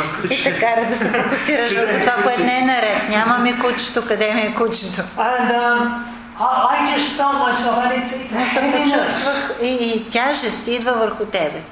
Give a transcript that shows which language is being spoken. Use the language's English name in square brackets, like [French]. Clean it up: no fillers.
[Bulgarian] И те кара да се фокусираш върху това, което не е наред. Няма ми кучето, къде ми е кучето? [English] I just felt myself and it's heaviness. [Bulgarian] И тяжест идва върху тебе.